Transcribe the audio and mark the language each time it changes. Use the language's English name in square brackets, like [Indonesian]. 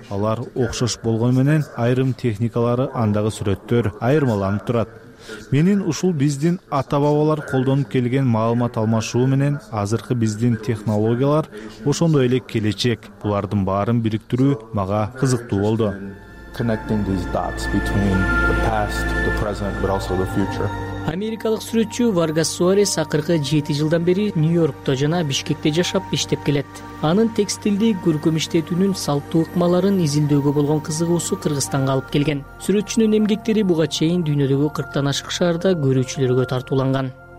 [Kyrgyz] Алар окшош болгону менен айрым техникалары, андагы сүрөттөр айырмаланып турат. Менин ушул биздин ата-бабалар колдонуп келген маалымат алмашуу менен азыркы биздин технологиялар ошондой эле келечек. Булардын баарын бириктирүү мага кызыктуу болду. [English] Connecting these dots between the past, the present, but also the future. [Kyrgyz] Америкалык сүрөтчү Варгас Суарес акыркы 7 жылдан бери Нью-Йоркто жана Бишкекте жашап иштеп келет. Анын текстилди көркөм иштетүүнүн салттуу ыкмаларын изилдөөгө болгон кызыгуусу Кыргызстанга алып келген. Сүрөтчүнүн эмгектери буга чейин дүйнөдөгү 40 ашык шаарда көрүүчүлөргө тартууланган.